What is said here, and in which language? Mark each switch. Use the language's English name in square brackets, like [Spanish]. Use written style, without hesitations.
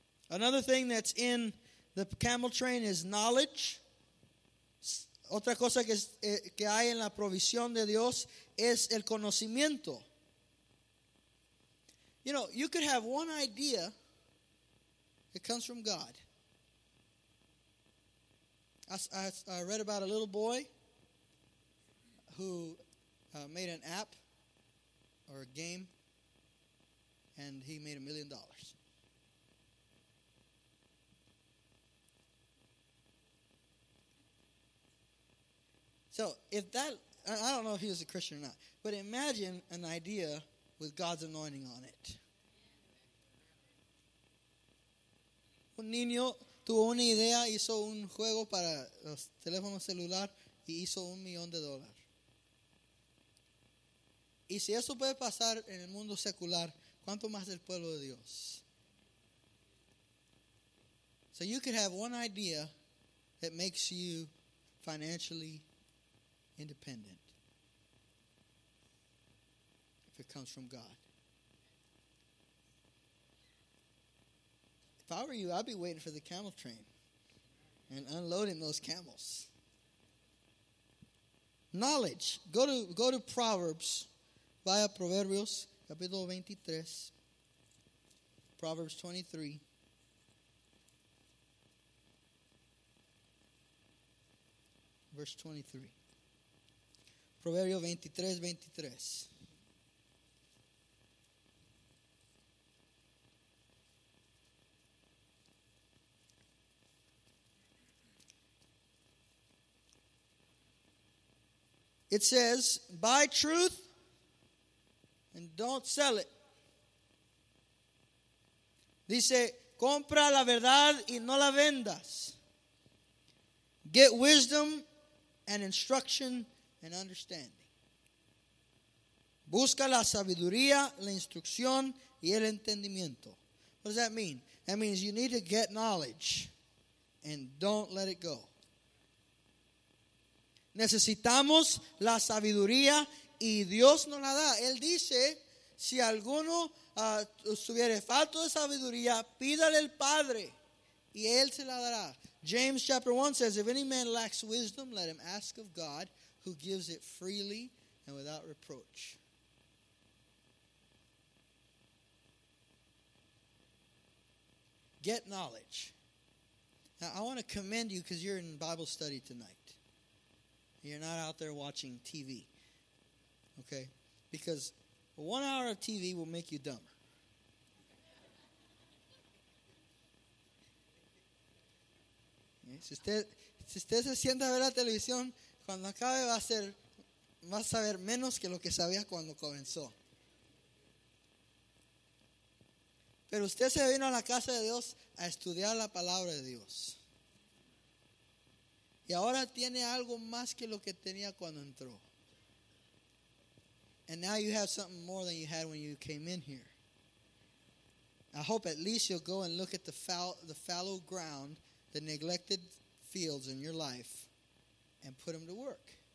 [English] Another thing that's in the camel train is knowledge. [Spanish] Otra cosa que hay en la provisión de Dios es el conocimiento. [English] You know, you could have one idea that comes from God. I read about a little boy who made an app or a game, and he made $1 million. So, if that, I don't know if he was a Christian or not, but imagine an idea with God's anointing on it. [Spanish] Un niño tuvo una idea, hizo un juego para los teléfonos celular y hizo $1 million. Y si eso puede pasar en el mundo secular, ¿cuánto más del pueblo de Dios? [English] So you could have one idea that makes you financially independent if it comes from God. If I were you, I'd be waiting for the camel train and unloading those camels. Knowledge. Go to Proverbs. [Spanish] Vaya Proverbios, capítulo 23. [English] Proverbs 23. Verse 23. [Spanish] Proverbio 23:23. [English] It says, buy truth and don't sell it. [Spanish] Dice, compra la verdad y no la vendas. [English] Get wisdom and instruction and understanding. [Spanish] Busca la sabiduría, la instrucción y el entendimiento. [English] What does that mean? That means you need to get knowledge and don't let it go. [Spanish] Necesitamos la sabiduría y Dios nos la da. Él dice, si alguno tuviere falto de sabiduría, pídale al Padre y Él se la dará. [English] James chapter 1 says, if any man lacks wisdom, let him ask of God, who gives it freely and without reproach. Get knowledge. Now, I want to commend you because you're in Bible study tonight. You're not out there watching TV. Okay? Because 1 hour of TV will make you dumb. [Spanish] Si usted se sienta a ver la televisión, cuando acabe va a saber menos que lo que sabía cuando comenzó. Pero usted se vino a la casa de Dios a estudiar la palabra de Dios. Y ahora tiene algo más que lo que tenía cuando entró. [English] And now you have something more than you had when you came in here. I hope at least you'll go and look at the fallow ground, the neglected fields in your life, and put them to work.